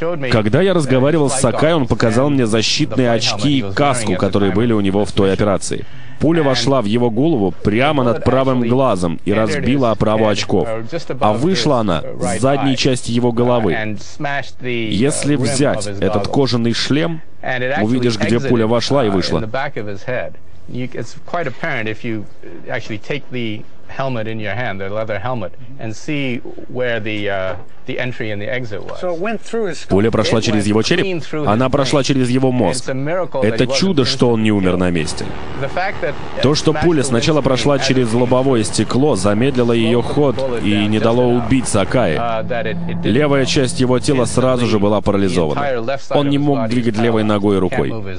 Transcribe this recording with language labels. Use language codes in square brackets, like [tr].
[ru] Когда я разговаривал с Сакай, он показал мне защитные очки и каску, которые были у него в той операции. Пуля вошла в его голову прямо над правым глазом и разбила оправу очков. А вышла она с задней части его головы. Если взять этот кожаный шлем, увидишь, где пуля вошла и вышла. [en] It's quite apparent if you actually take the helmet in your hand, the leather helmet, and see where the entry and the exit was. So it went through his skull. [ru] Пуля прошла через его череп. Она прошла через его мозг. Это чудо, что он не умер на месте. То, что пуля сначала прошла через лобовое стекло, замедлило ее ход и не дало убить Сакай. Левая часть его тела сразу же была парализована. Он не мог двигать левой ногой и рукой.